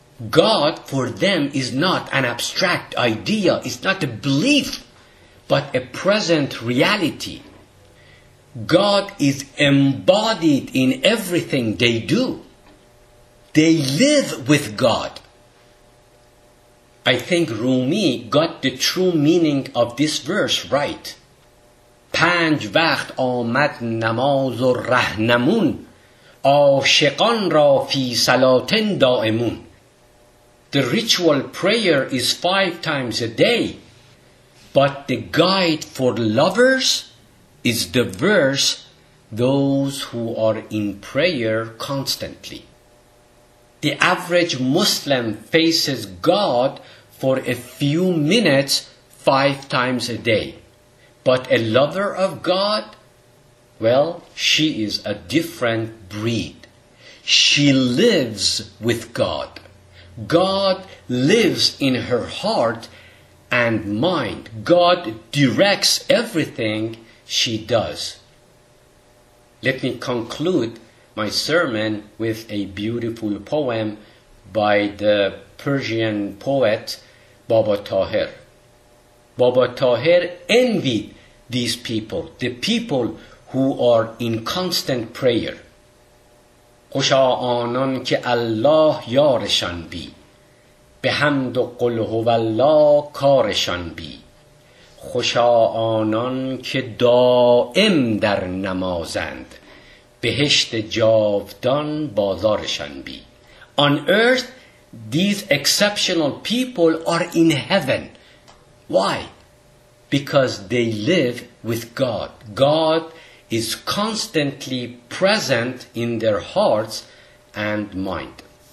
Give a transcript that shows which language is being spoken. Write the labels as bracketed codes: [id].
[en] God for them is not an abstract idea, it's not a belief, but a present reality. God is embodied in everything they do. They live with God. I think Rumi got the true meaning of this verse right. [fa] پنج وقت آمد نماز و رهنمون عاشقان را [ar] فی صلاتن دائمون. [en] The ritual prayer is 5 times a day, but the guide for lovers is the verse, those who are in prayer constantly. The average Muslim faces God for a few minutes 5 times a day. But a lover of God, well, she is a different breed. She lives with God. God lives in her heart and mind. God directs everything she does. Let me conclude my sermon with a beautiful poem by the Persian poet Baba Tahir. Baba Tahir envied these people, the people who are in constant prayer. [fa] خوشا آنان که الله یارشان بی به حمد و قل هو الله کارشان بی خوشا آنان که دائم در نمازند بهشت جاودان بازارشان بی. [en] On earth, these exceptional people are in heaven. Why? Because they live with God. God is constantly present in their hearts and mind.